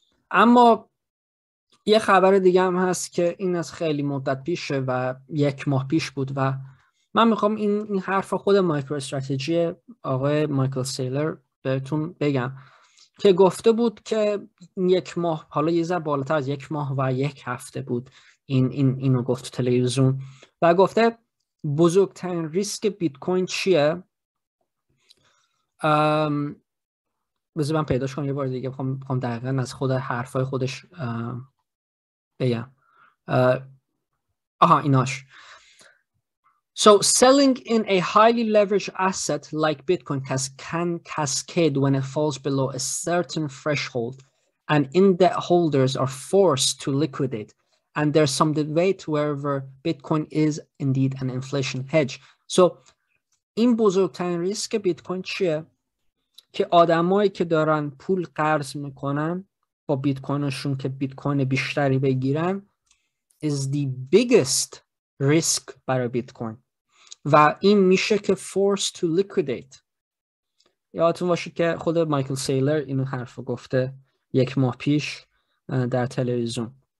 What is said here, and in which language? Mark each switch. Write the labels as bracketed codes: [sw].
[fa] اما یه خبر دیگه هم هست که این از خیلی مدت پیشه و یک ماه پیش بود و من میخوام این حرف خود مایکرو استراتژی آقای مایکل سیلر بهتون بگم که گفته بود که یک ماه، حالا یه ذره بالاتر از یک ماه و یک هفته بود اینو گفت تلویزیون و گفته بزرگترین ریسک بیت کوین چیه. بذار من پیداش کنم یه بار دیگه، میخوام دقیقاً از خود حرفای خودش بگم. ایناش. [en] So selling in a highly leveraged asset like Bitcoin can cascade when it falls below a certain threshold and in-debt holders are forced to liquidate. And there's some debate wherever Bitcoin is indeed an inflation hedge. So [fa] این بزرگترین ریسک بیتکوین چیه؟ که آدمایی که دارن پول قرض میکنن با بیتکوینشون که بیتکوین بیشتری بگیرن [en] is the biggest risk [fa] برای بیتکوین. و این میشه که [en] force to liquidate. [fa] یادتون باشه که خود مایکل سیلر اینو حرف گفته یک ماه پیش در تلویزیون.